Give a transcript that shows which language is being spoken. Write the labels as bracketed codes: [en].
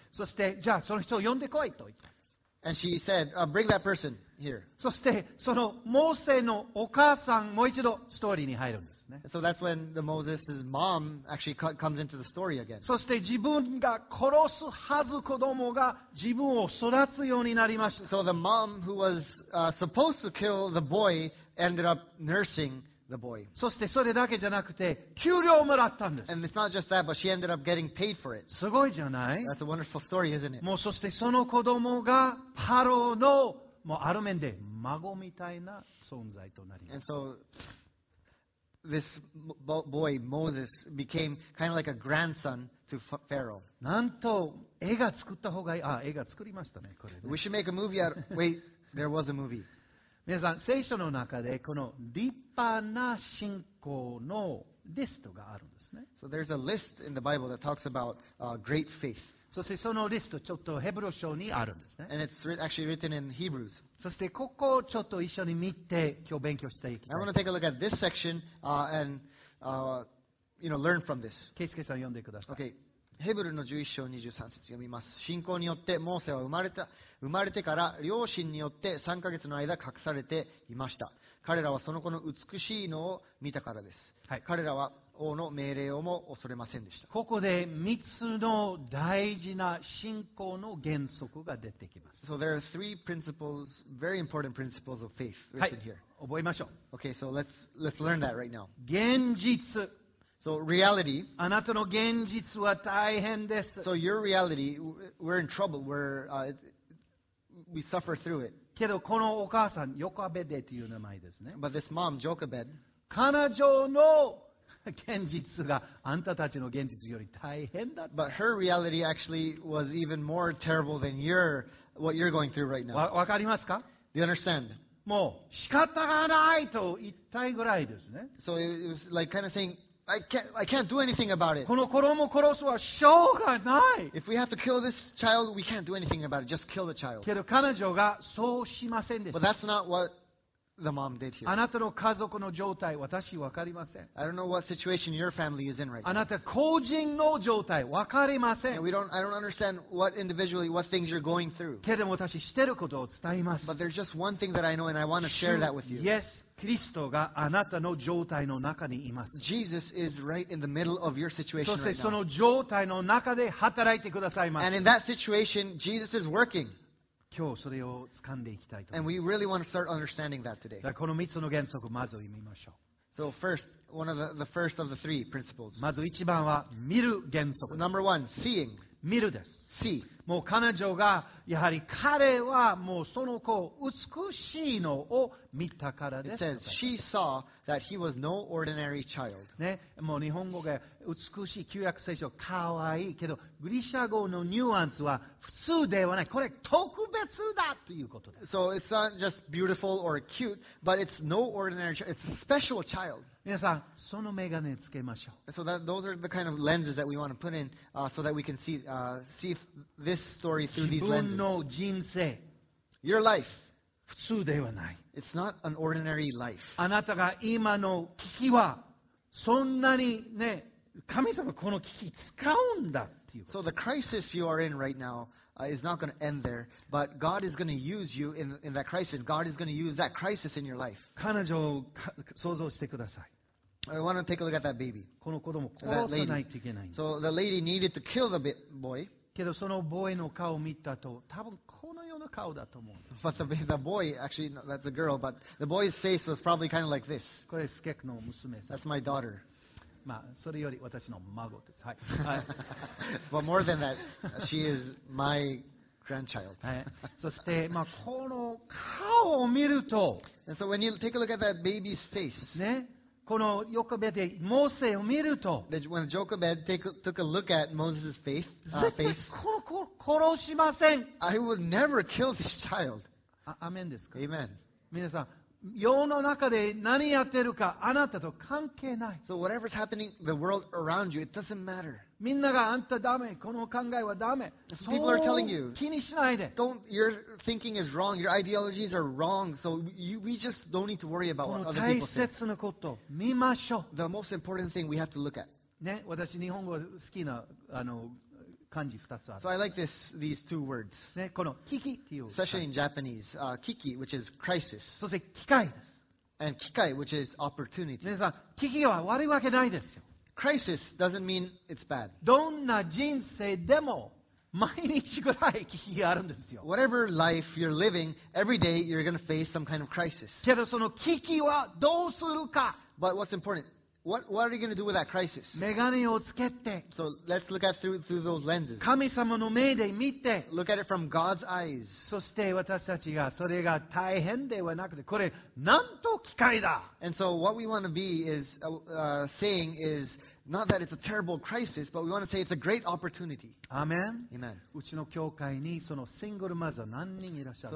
[ja] そしてじゃあその人を呼んでこいと言った。 [en] And she said, bring that person here。 [ja] そしてそのモーセのお母さんもう一度ストーリーに入るんですね。 [en] So that's when the Moses' mom actually comes into the story again。 [ja] そして自分が殺すはず子供が自分を育つようになりました。 [en] So the mom who was supposed to kill the boy ended up nursing the boy。 [ja] そしてそれだけじゃなくて給料をもらったんです。 [en] And it's not just that, but she ended up getting paid for it。 [ja] すごいじゃない [en] ？That's a wonderful story, isn't it? [ja] もうそしてその子供がパロのもうある面で孫みたいな存在となります。 [en] And so this boy Moses became kind of like a grandson to Pharaoh。 [ja] なんと映画作った方がいい。あ、映画作りましたね、これね。 [en] We should make a movie out. Wait, there was a movie。 [ja] 皆さん、聖書の中でこの立派な信仰のリストがあるんですね。 [en] So there's a list in the Bible that talks about great faith. [ja] そしてそのリストちょっとヘブル書にあるんですね。 [en] And it's actually written in Hebrews. [ja] そしてここをちょっと一緒に見て今日勉強していきたいと思います。 [en] I want to take a look at this section and learn from this. [ja] ケイスケさん読んでください。 [en] Okay. [ja] ヘブルの11章23節読みます。信仰によってモーセは生まれてから両親によって3ヶ月の間隠されていました。彼らはその子の美しいのを見たからです、はい、彼らは王の命令をも恐れませんでした。ここで3つの大事な信仰の原則が出てきます。 [en] So there are three principles, very important principles of faith written here. [ja] はい、覚えましょう。 [en] Okay, so let's learn that right now. [ja] 現実、 [en] So reality, [ja] あなたの現実は大変です。 [en] So your reality, we're in trouble. We suffer through it. [ja] けどこのお母さん、ヨカベデという名前ですね。 [en] But this mom, Jochebed, [ja] 彼女の現実があんたたちの現実より大変だ。 [en] But her reality actually was even more terrible than what you're going through right now. [ja] わかりますか？ [en] Do you understand? [ja] もう仕方がないと言いたいぐらいですね。 [en] So it was like kind of saying,I can't do anything about it. [ja] この子供を殺すはしょうがない。 [en] If we have to kill this child, we can't do anything about it. Just kill the child. [ja] けど彼女がそうしませんでした。 [en] But that's not what the mom did here. [ja] あなたの家族の状態、私わかりません。 [en] I don't know what situation your family is in right now. [ja] あなた個人の状態、わかりません。 [en] I don't understand what individually, what things you're going through. [ja] けれども私してることを伝えます。 [en] But there's just one thing that I know and I want to share that with you. Yes, Christ is in your situation right now. Jesus is right in the middle of your situation [ja] そしてその状態の中で働いてくださいます。 [en] And in that situation, Jesus is working. [ja] 今日それを掴んでいきたいと思います。 [en] Really、 [ja] この3つの原則をまず読みましょう。 [en] So、first, one of the first of the three principles. [ja] まず1番は見る原則。 [en] Number one, seeing. [ja] 見るです。 [en] See. [ja] もう彼女がやはり彼はもうその子を美しいのを見たからです。 [en] It says she saw that he was no ordinary child. [ja] ね、もう日本語が美しい旧約聖書かわいいけどギリシャ語のニュアンスは普通ではない。これ特別だということです。 [en] So it's not just beautiful or cute, but it's no ordinary child. It's a special child. [ja] 皆さんそのメガネつけましょう。 [en] So that, those are the kind of lenses that we want to put in, so that we can see, see this story through these lenses. [ja] 自分の人生。 [en] Your life. [ja] 普通ではない。 [en] It's not an ordinary life. [ja] あなたが今の危機はそんなにね、神様この危機使うんだ。 [en] So the crisis you are in right now is not going to end there, but God is going to use you in that crisis. God is going to use that crisis in your life. [ja] 彼女を想像してください。 [en] I want to take a look at that baby. [ja] この子供を殺さないといけない。 [en] So the lady needed to kill the boy. [ja] けどそのボーイの顔を見たと、多分このような顔だと思う。 [en] But the boy, actually, no, that's a girl, but the boy's face was probably kind of like this. [ja] これスケクの娘さん。 [en] That's my daughter. [ja] まあ、それより私の孫です。はい。 [en] But more than that, she is my grandchild. [ja] そして、まあ、この顔を見ると、 [en] And so when you take a look at that baby's face, [ja] ね、このヨコベでモーセを見ると、 [en] When Jochebed took a look at Moses' face, [ja] 絶対この子を殺しません。 [en] I would never kill this child. [ja] アメンですか。 [en] Amen. [ja] 皆さん、世の中で何やってるかあなたと関係ない。 [en] So whatever's happening the world around you, it doesn't matter. [ja] みんながあんたダメ、この考えはダメ。 [en] People are telling you, [ja] 気にしないで。 [en] Don't, your thinking is wrong, your ideologies are wrong, so you, we just don't need to worry about what other people say. [ja] 大切なこと見ましょう。 [en] The most important thing we have to look at. [ja] ね、私日本語好きなあの漢字2つある。 [en] So I like this, these two words. [ja] ね、この危機っていう。 [en] Especially in Japanese,危機 which is crisis. [ja] そして機会です。 [en] And 機会 which is opportunity. [ja] 皆さん、危機は悪いわけないですよ。 [en] Crisis doesn't mean it's bad. [ja] どんな人生でも毎日ぐらい危機があるんですよ。 [en] Whatever life you're living, every day you're going to face some kind of crisis. [ja] けどその危機はどうするか。 [en] But what's important? What are you going to do with that crisis? [ja] メガネをつけて。 [en] So let's look at through those lenses. [ja] 神様の目で見て。 [en] Look at it from God's eyes. [ja] そして私たちがそれが大変ではなくて、これなんと機会だ。 [en] And so what we want to be is saying is not that it's a terrible crisis, but we want to say it's a great opportunity. Amen. Amen. [ja] うちの教会にそのシングルマザー何人いらっしゃる。